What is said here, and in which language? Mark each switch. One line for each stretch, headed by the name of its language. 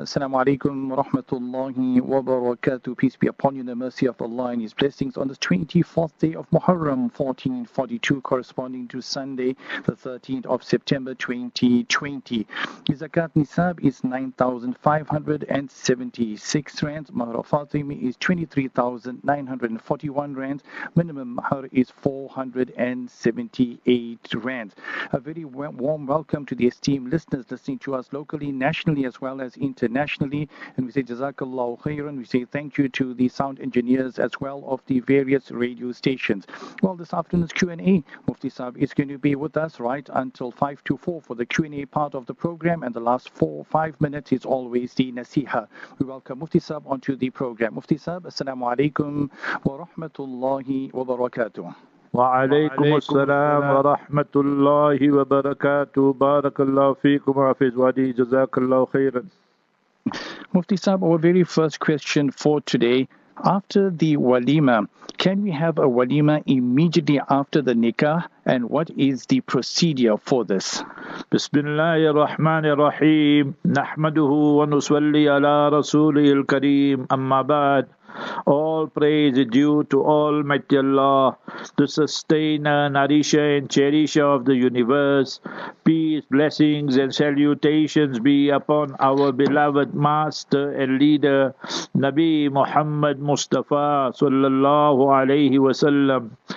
Arabic: السلام عليكم ورحمة الله وبركاته.
English: Peace be upon you, the mercy of Allah and His blessings. On the 24th day of Muharram 1442, corresponding to Sunday, the 13th of September 2020. Zakat Nisab is 9,576 rands. Mahar of Fatimi is 23,941 rands. Minimum mahar is 478 rands. A very warm welcome to the esteemed listeners listening to us locally, nationally, as well as internationally. And we say Jazakallahu Khairan. We say thank you to the sound engineers as well of the various radio stations. Well, this afternoon's Q&A, Mufti Saab is going to be with us right until 5 to 4 for the Q&A part of the program. And the last 4 or 5 minutes is always the Nasiha. We welcome Mufti Saab onto the program. Mufti Saab, Assalamu Alaikum wa Rahmatullahi wa Barakatuh.
Arabic: وعليكم السلام ورحمة الله وبركاته. بارك الله فيكم وحفظ ودي جزاك الله خيرا.
English: Mufti Saab, our very first question for today. After the walima, can we have a walima immediately after the nikah? And what is the procedure for this?
Arabic: بسم الله الرحمن الرحيم نحمده ونصلي على رسوله الكريم أما بعد.
English: All praise is due to Almighty Allah, the sustainer, nourisher and cherisher of the universe. Peace, blessings and salutations be upon our beloved master and leader, Nabi Muhammad Mustafa sallallahu alayhi wa sallam.